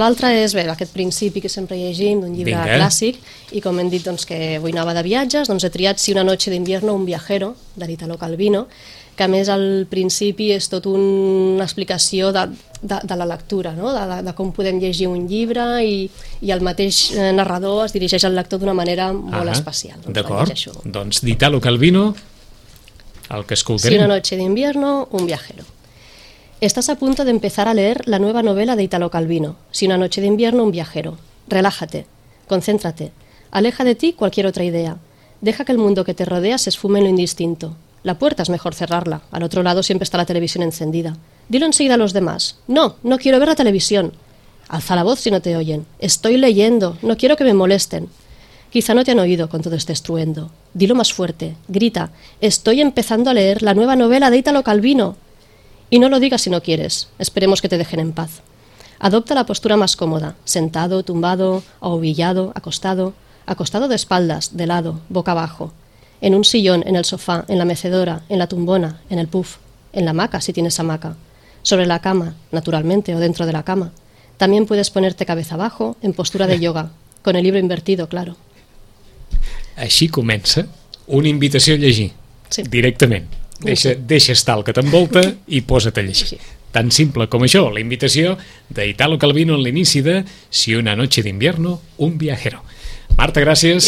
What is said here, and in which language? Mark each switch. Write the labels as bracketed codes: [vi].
[ca] L'altra és, bé, aquest principi que sempre llegim d'un llibre clàssic, i com hem dit, doncs, que avui anava de viatges, doncs he triat Si una noche de invierno, un viajero, de l'Italo Calvino, que a més al principi és tot una explicació de la lectura, no? De com podem llegir un llibre i el mateix narrador es dirigeix al lector d'una manera molt especial. Doncs, d'acord, doncs d'Italo Calvino, el que escoltarem. [es] Si una noche de invierno, un viajero. Estás a punto de empezar a leer la nueva novela de Italo Calvino, Si una noche de invierno, un viajero. Relájate, concéntrate, aleja de ti cualquier otra idea. Deja que el mundo que te rodea se esfume en lo indistinto. La puerta es mejor cerrarla. Al otro lado siempre está la televisión encendida. Dilo enseguida a los demás. No, no quiero ver la televisión. Alza la voz si no te oyen. Estoy leyendo. No quiero que me molesten. Quizá no te han oído con todo este estruendo. Dilo más fuerte. Grita. Estoy empezando a leer la nueva novela de Italo Calvino. Y no lo digas si no quieres. Esperemos que te dejen en paz. Adopta la postura más cómoda. Sentado, tumbado, ahobillado, acostado. Acostado de espaldas, de lado, boca abajo. En un sillón, en el sofá, en la mecedora, en la tumbona, en el puff, en la hamaca, si tienes hamaca, sobre la cama, naturalmente, o dentro de la cama. También puedes ponerte cabeza abajo, en postura de yoga, con el libro invertido, claro. [ca] Així comença una invitació a llegir, sí. Directament. Deixa estar el que t'envolta i posa't a llegir. Sí. Tan simple com això, la invitació d'Italo Calvino en l'inici de Si una noche de invierno, un viajero. Marta, gràcies.